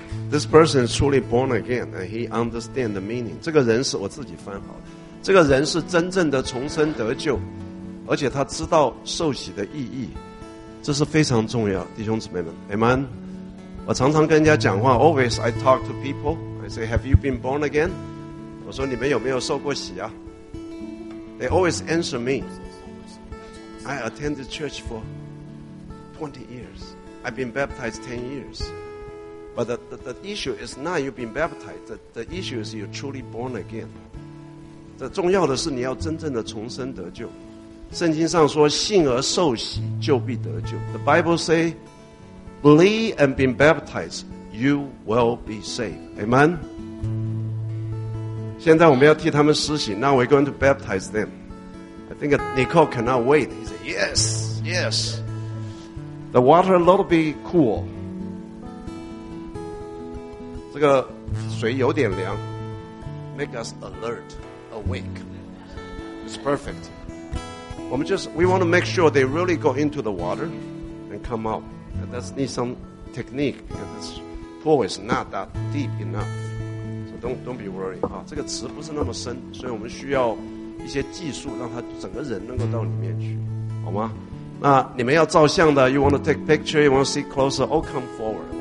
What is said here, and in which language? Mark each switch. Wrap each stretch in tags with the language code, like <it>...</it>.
<en>This person is truly born again, and he understands the meaning.</en> <zh>这个人是我自己翻好的。这个人是真正的重生得救，而且他知道受洗的意义，这是非常重要，弟兄姊妹们 ，Amen。我常常跟人家讲话</zh> <en>，Always I talk to people, I say, "Have you been born again?"</en> <zh>我说你们有没有受过洗啊 ？</zh> <en>They always answer me. I attended church for 20 years. I've been baptized 10 years. But the issue is not you've been baptized. The issue is you're truly born again.</en> <zh>这重要的是你要真正的重生得救。圣经上说，信而受洗就必得救。</zh> <en>The Bible say, believe and be baptized, you will be saved. Amen.</en> <zh>现在我们要替他们施洗。</zh> <en>Now we're going to baptize them. I think Nicole cannot wait. He said, yes, yes. The water a little bit cool.</en> <zh>这个水有点凉</zh> <en>，make us alert, awake. It's perfect. We want to make sure they really go into the water and come out. And that needs some technique because this pool is not that deep enough. So don't be worried.</en> <zh>这个池不是那么深，所以我们需要一些技术让它整个人能够到里面去，好吗？那你们要照相的</zh> <en>，you want to take picture, you want to see closer, all come forward.</en>